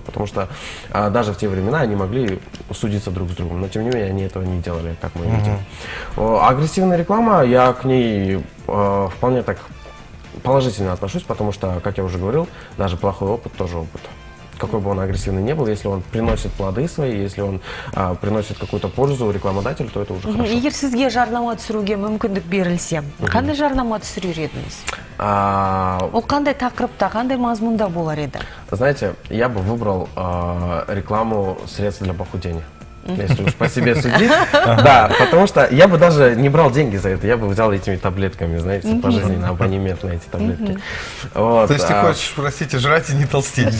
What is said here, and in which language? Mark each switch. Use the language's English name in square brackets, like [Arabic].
[Russian] Потому что даже в те времена они могли судиться друг с другом. Но тем не менее, они этого не делали, как мы видим. Агрессивная реклама, я к ней вполне так положительно отношусь, потому что, как я уже говорил, даже плохой опыт тоже опыт. Какой бы он агрессивный ни был, если он приносит плоды свои, если он приносит какую-то пользу рекламодателю, то это уже хорошо. [Kazakh] Егер сізге жарнама түсіруге мүмкіндік берілсе, қандай жарнама түсірер едіңіз? Ол қандай тақырыпта, қандай мазмұнда болар еді? [Russian] Знаете, я бы выбрал рекламу средств для похудения. Если уж по себе судить. Да, потому что я бы даже не брал деньги за это. Я бы взял этими таблетками, знаете, пожизненно абонемент на эти таблетки. Вот, то есть ты хочешь, простите, жрать и не толстеть?